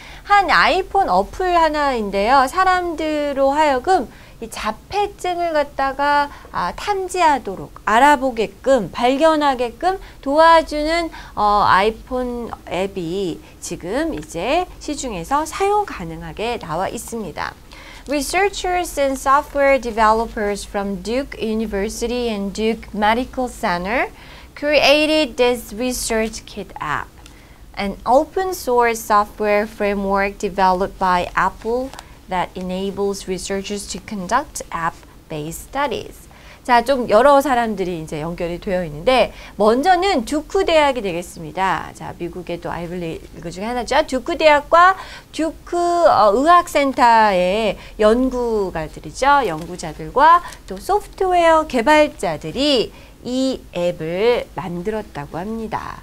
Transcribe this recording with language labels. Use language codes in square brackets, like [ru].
[ko] 한 아이폰 어플 하나인데요. 사람들로 하여금 이 자폐증을 갖다가 탐지하도록 알아보게끔 발견하게끔 도와주는 아이폰 앱이 지금 이제 시중에서 사용 가능하게 나와 있습니다. [en] Researchers and software developers from Duke University and Duke Medical Center created this research kit app, an open source software framework developed by Apple that enables researchers to conduct app-based studies. [ko] 자, 좀 여러 사람들이 이제 연결이 되어 있는데 먼저는 듀크 대학이 되겠습니다. 자, 미국의 또 아이블리그 중에 하나죠. 듀크 대학과 듀크 의학센터의 연구가들이죠. 연구자들과 또 소프트웨어 개발자들이 이 앱을 만들었다고 합니다.